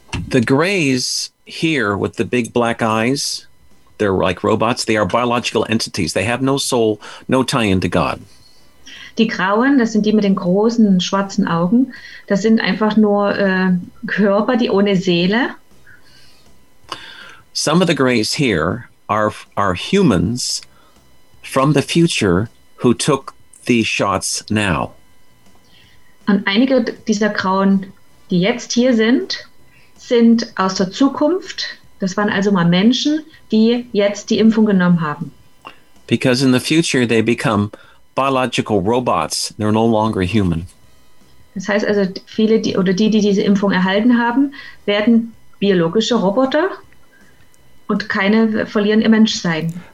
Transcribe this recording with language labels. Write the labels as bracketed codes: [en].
[en] The greys here with the big black eyes, they're like robots, they are biological entities. They have no soul, no tie into God. [de] Die Grauen, das sind die mit den großen schwarzen Augen, das sind einfach nur Körper, die ohne Seele. [en] Some of the greys here are humans from the future who took the shots now. [de] Und einige dieser Grauen, die jetzt hier sind, sind aus der Zukunft. Das waren also mal Menschen, die jetzt die Impfung genommen haben. [en] Because in the future they become biological robots. They're no longer human. [de] Das heißt also, viele die, oder die, die diese Impfung erhalten haben, werden biologische Roboter und keine verlieren ihr Menschsein.